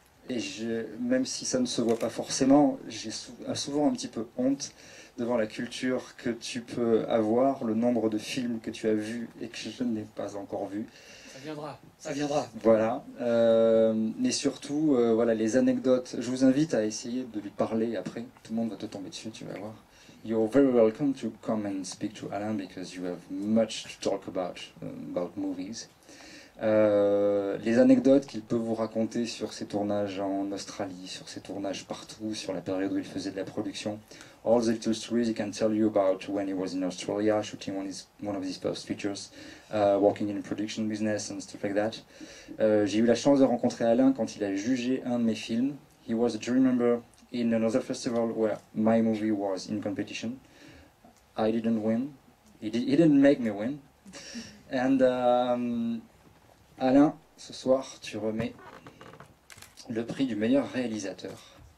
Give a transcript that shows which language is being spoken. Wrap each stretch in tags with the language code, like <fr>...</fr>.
<fr>Et même si ça ne se voit pas forcément, j'ai souvent un petit peu honte devant la culture que tu peux avoir, le nombre de films que tu as vus et que je n'ai pas encore vus. Ça viendra, ça viendra. Voilà. Mais surtout, voilà, les anecdotes. Je vous invite à essayer de lui parler après. Tout le monde va te tomber dessus, tu vas voir.</fr> <en>You're very welcome to come and speak to Alain because you have much to talk about movies.</en> <fr>Les anecdotes qu'il peut vous raconter sur ses tournages en Australie, sur ses tournages partout, sur la période où il faisait de la production.</fr> <en>All the little stories he can tell you about when he was in Australia, shooting one of his first features, working in the production business and stuff like that.</en> <fr>J'ai eu la chance de rencontrer Alain quand il a jugé un de mes films.</fr> <en>He was a jury member in another festival where my movie was in competition. I didn't win. He didn't make me win.</en> <fr>And Alain, ce soir, tu remets le prix du meilleur réalisateur.</fr>